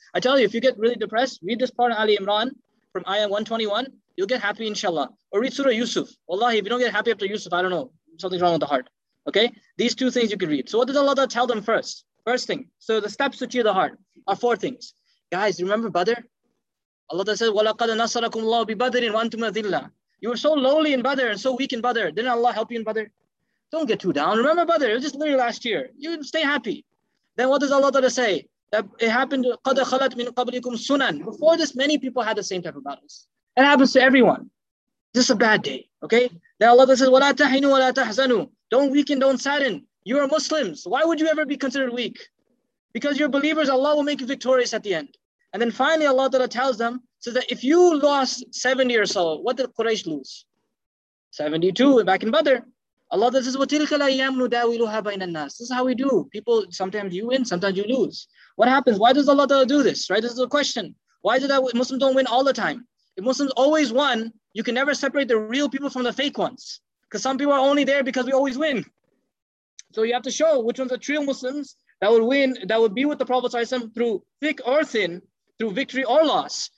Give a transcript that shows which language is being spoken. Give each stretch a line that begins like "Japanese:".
English: I tell you, if you get really depressed, read this part in Ali Imran from Ayah 121, you'll get happy, inshallah. Or read Surah Yusuf. Wallahi, if you don't get happy after Yusuf, I don't know. Something's wrong with the heart. Okay? These two things you can read. So what does Allah Ta'ala tell them first? First thing. So the steps to cheer the heart are four things. Guys, remember Badr? Allah Ta'ala says,
Arabic: وَلَقَدَ نَصَرَكُمُ اللَّهُ بِبَدْرٍ وَأَنْتُمْ أَذِلَّةٌ.
English: You were so lowly in Badr and so weak in Badr. Didn't Allah help you in Badr? Don't get too down. Remember Badr, it was just literally last year. You stay happy. Then what does Allah Ta'ala say? That it happened,
Arabic: قَدْ خَلَتْ مِنْ قَبْلِكُمْ سُنَنْ.
English: Before this, many people had the same type of battles. It happens to everyone. This is a bad day, okay? Then Allah Ta'ala says,
Arabic: وَلَا تَحِنُوا وَلَا تَحْزَنُوا.
English: Don't weaken, don't sadden. You are Muslims. Why would you ever be considered weak? Because you're believers, Allah will make you victorious at the end. And then finally, Allah Ta'ala tells them, so that if you lost 70 or so, what did Quraysh lose? 72, back in Badr. Allah says,
Arabic: وَتِلْكَ الْأَيَّامُ نُدَاوِلُهَا بَيْنَ النَّاسِ.
English: This is how we do. People, sometimes you win, sometimes you lose. What happens? Why does Allah do this? Right? This is a question. Why is it that Muslims don't win all the time? If Muslims always won, you can never separate the real people from the fake ones. Because some people are only there because we always win. So you have to show which ones are true Muslims that would win, that would be with the Prophet through thick or thin, through victory or loss.